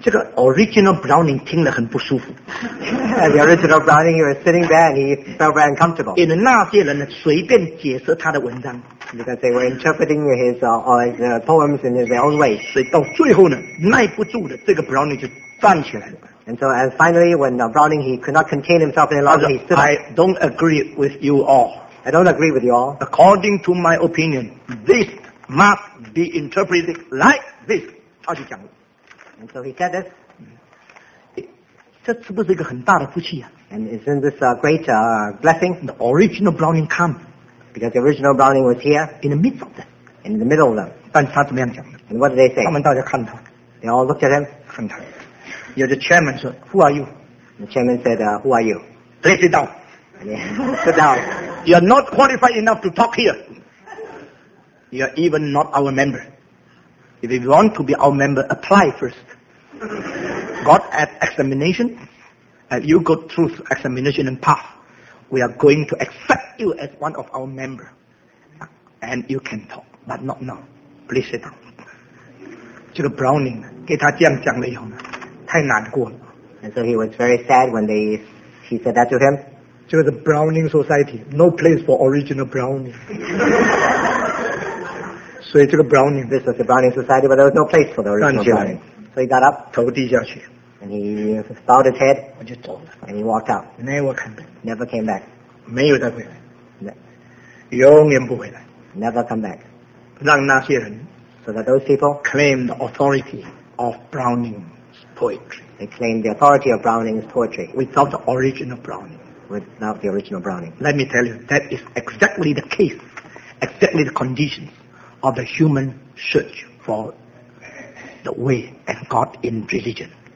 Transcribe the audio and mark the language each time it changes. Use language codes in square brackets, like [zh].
[zh] 这个 original Browning 听了很不舒服。 [en] The original Browning, he was sitting there and he felt very uncomfortable. [zh] 因为那些人呢, 随便解释他的文章。 [en] Because they were interpreting his poems in their own way. [zh] 所以到最后呢, 耐不住的, 这个Browning就站起来了。 [en] And so and finally, when Browning, he could not contain himself any longer, he stood up. I don't agree with you all. I don't agree with you all. According to my opinion, this must be interpreted like this. [zh] 他就讲了。 [en] And so he said this. [zh] 这是不是一个很大的福气啊? [en] And isn't this a great blessing? The original Browning come. Because the original Browning was here. In the midst of them. In the middle of them. [zh] 但是他怎么样讲? [en] And what did they say? [zh] 他们大家看他。 [en] They all looked at him. [zh] 看他。 [en] Yeah, the chairman said, who are you? The chairman said, who are you? Place it down. Sit down. You are not qualified enough to talk here. You are even not our member. If you want to be our member, apply first. God at examination, and you go through examination and pass. We are going to accept you as one of our members. And you can talk, but not now. Please sit down. [zh] 这个Browning给他这样讲了以后呢, 太难过了。 [en] And so he was very sad when he said that to him. [zh] 就是 [en] the Browning Society, no place for original Browning. [zh] 所以这个 Browning, [en] this was the Browning Society, but there was no place for the original Browning. So he got up, [zh] 头低下去, [en] and he bowed his head, [zh] 我就走了, [en] and he walked out. Never came back. Never came back. [zh] 没有再回来。 永远不回来。 [en] never come back. [zh] 让那些人 [en] so that those people claim the authority of Browning's poetry. They claim the authority of Browning's poetry. Without the origin of Browning. Without the original Browning. Let me tell you, that is exactly the case, exactly the conditions of the human search for the way and God in religion.